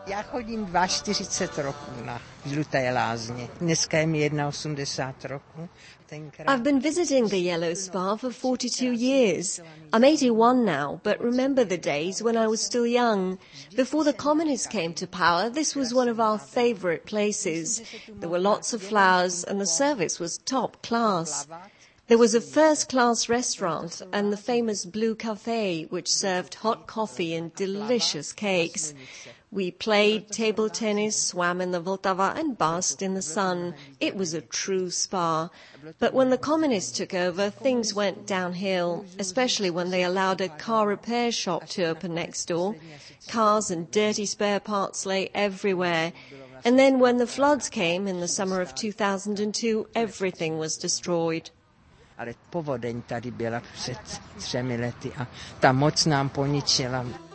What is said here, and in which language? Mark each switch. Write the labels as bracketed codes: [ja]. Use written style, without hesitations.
[cs] Chodím 42 roku na Žluté Lázně. Dneska je mi 81 roku. [en] I've been visiting the Yellow Spa for 42 years. I'm 81 now, but remember the days when I was still young. Before the communists came to power, this was one of our favorite places. There were lots of flowers and the service was top class. There was a first-class restaurant and the famous Blue Café, which served hot coffee and delicious cakes. We played table tennis, swam in the Vltava, and basked in the sun. It was a true spa. But when the communists took over, things went downhill, especially when they allowed a car repair shop to open next door. Cars and dirty spare parts lay everywhere. And then when the floods came in the summer of 2002, everything was destroyed. [cs] Ale povodeň tady byla před 3 lety a ta moc nám poničila.